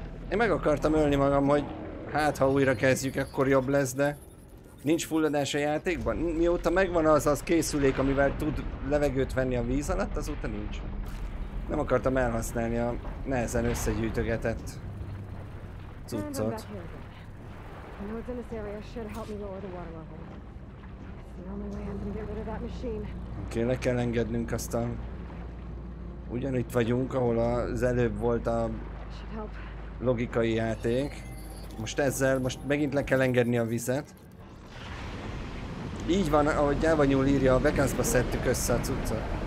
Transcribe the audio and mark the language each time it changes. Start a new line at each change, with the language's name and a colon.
Hungarian: Én meg akartam ölni magam, hogy hát ha újra kezdjük, akkor jobb lesz, de nincs fulladás a játékban. Mióta megvan az az készülék, amivel tud levegőt venni a víz alatt, azóta nincs. Nem akartam elhasználni a nehezen összegyűjtögetett cuccot.
English: North in this area should help me lower the water level. It's the only way I'm gonna get rid of that machine.
Hungarian: Okay, le kell engednünk azt a... Ugyanitt vagyunk, ahol az előbb volt a logikai játék. Most ezzel, most megint le kell engedni a vizet. Így van, ahogy Gyávanyúl írja, a Vekanszba szedtük össze a cuccot.